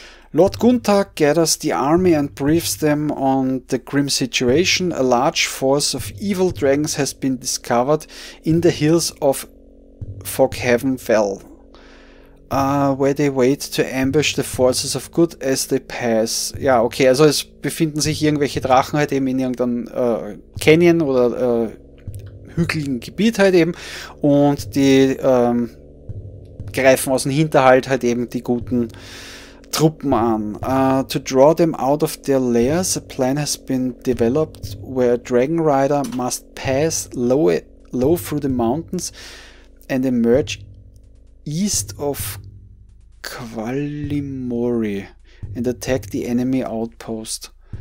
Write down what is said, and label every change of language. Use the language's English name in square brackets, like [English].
[English] Lord Gunther gathers the army and briefs them on the grim situation. A large force of evil dragons has been discovered in the hills of Foghaven Fell, where they wait to ambush the forces of good as they pass. [German] Ja, okay, also es befinden sich irgendwelche Drachen halt eben in irgendeinem Canyon oder hügeligen Gebiet halt eben und die greifen aus dem Hinterhalt halt eben die guten Truppen an. [English] To draw them out of their lairs, a plan has been developed where a dragon rider must pass low through the mountains and emerge east of Qualimori and attack the enemy outpost.